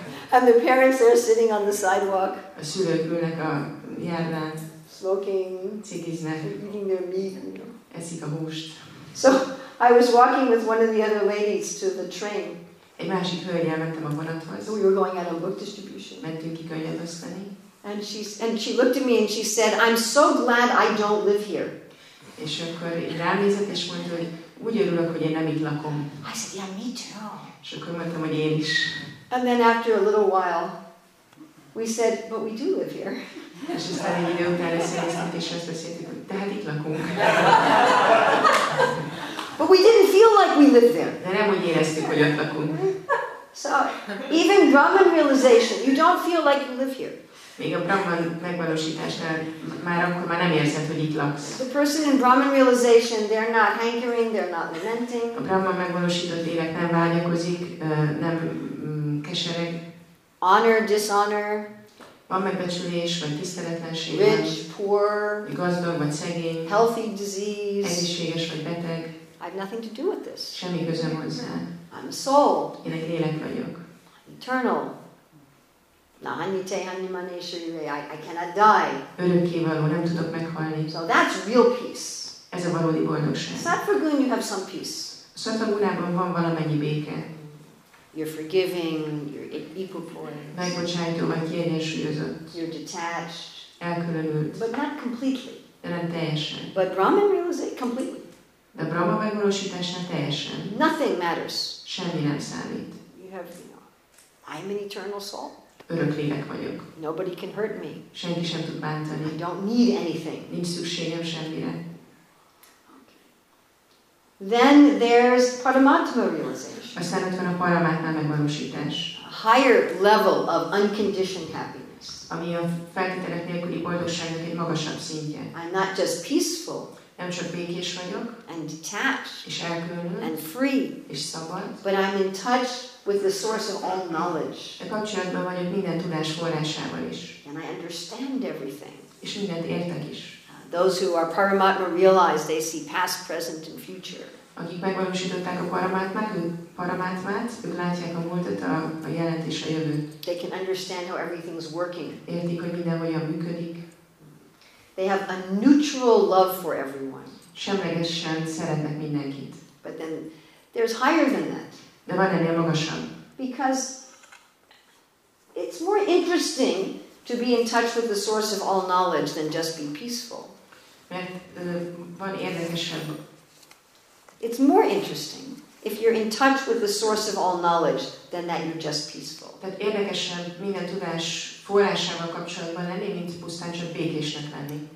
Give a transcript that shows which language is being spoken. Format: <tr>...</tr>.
<en>And the parents are sitting on the sidewalk.</en> <hu>A szülők ülnek a járdán.</hu> <en>Smoking.</en> <hu>Cigiznek.</hu> <en>Eating their meat.</en> <hu>Eszik a húst.</hu> <en>So I was walking with one of the other ladies to the train.</en> <hu>Egy másik hölgyel mentem a vonathoz.</hu> <en>We were going at a book distribution.</en> <hu>Mentünk ki könyvet osztani.</hu> <en>And she looked at me and she said, "I'm so glad I don't live here."</en> <hu>És akkor rám nézett és mondta, hogy úgy örülök, hogy én nem itt lakom.</hu> <en>I said, "Yeah, me too."</en> <hu>És akkor mondtam, hogy én is.</hu> <en>And then after a little while, we said, "But we do live here."</en> <hu>És aztán egy idő után összeállt, és azt beszéltük, hogy tehát itt lakunk.</hu> <en>But we didn't feel like we lived there.</en> <hu>De nem úgy éreztük, hogy ott lakunk.</hu> <en>So, even Brahman realization, you don't feel like you live here.</en> <hu>Még a Brahman megvalósításnál már akkor már nem érzed, hogy itt laksz.</hu> <en>The person in Brahman realization, they're not hankering, they're not lamenting.</en> <hu>A Brahman megvalósított élet nem vágyakozik, nem kesereg.</hu> <en>Honor, dishonor.</en> <hu>Van megbecsülés, vagy tiszteletlenség.</hu> <en>Rich, poor.</en> <hu>Gazdag, vagy szegény.</hu> <en>Healthy, disease.</en> <hu>Egészséges, vagy beteg.</hu> <en>I have nothing to do with this.</en> <hu>Semmi közöm hozzá.</hu> <en>I'm a soul.</en> <hu>Én egy lélek vagyok.</hu> <en>Eternal.</en> <sa>Na, hanyi te, hanyi mané, sőjüve,</sa> <en>I cannot die.</en> <hu>Örökkévaló, nem tudok meghalni.</hu> <en>So that's real peace.</en> <hu>Ez a valódi boldogság.</hu> <en>Satvagun, you have some peace.</en> <hu>Satvagunában van valamennyi béke.</hu> <en>You're forgiving, you're equipoise.</en> <hu>Megbocsájtó, vagy kiegyensúlyozott.</hu> <en>You're detached.</en> <hu>Elkülönült.</hu> <en>But not completely.</en> <hu>De nem teljesen.</hu> <en>But Brahman realizes it completely.</en> <hu>De Brahma megvalósításnál teljesen.</hu> <en>Nothing matters.</en> <hu>Semmi nem számít.</hu> <en>You have, you know, I'm an eternal soul.</en> <hu>Örök lélek vagyok.</hu> <en>Nobody can hurt me.</en> <hu>Senki sem tud bántani.</hu> <en>I don't need anything.</en> <hu>Nincs szükségem semmire.</hu> <en>Okay. Then there's Paramatma realization.</en> <hu>Aztán ott van a Paramatma megvalósítás.</hu> <en>A higher level of unconditioned happiness.</en> <hu>Ami a feltételek nélküli boldogságnak egy magasabb szintje.</hu> <en>I'm not just peaceful.</en> <hu>Nem csak békés vagyok.</hu> <en>And detached.</en> <hu>És elkülönült.</hu> <en>And free.</en> <hu>És szabad.</hu> <en>But I'm in touch with the source of all knowledge.</en> <hu>De kapcsolatban vagyok minden tudás forrásával is.</hu> <en>And I understand everything.</en> <hu>És mindent értek is.</hu> <en>Those who are Paramatma realize they see past, present and future.</en> <hu>Akik megvalósították a Paramatmát, ők látják a múltat, a jelent és a jövőt.</hu> <en>They can understand how everything's working.</en> <hu>Értik, hogy minden hogyan működik.</hu> <en>They have a neutral love for everyone.</en> <hu>Semlegesen szeretnek mindenkit.</hu> <en>But then there's higher than that.</en> <hu>De van ennél magasabb.</hu> <en>Because it's more interesting to be in touch with the source of all knowledge than just be peaceful.</en> <hu>Mert van érdekesebb.</hu> <en>It's more interesting if you're in touch with the source of all knowledge than that you're just peaceful.</en> <hu>Tehát érdekesebb minden tudás forrásával kapcsolatban lenni, mint pusztán csak békésnek lenni.</hu>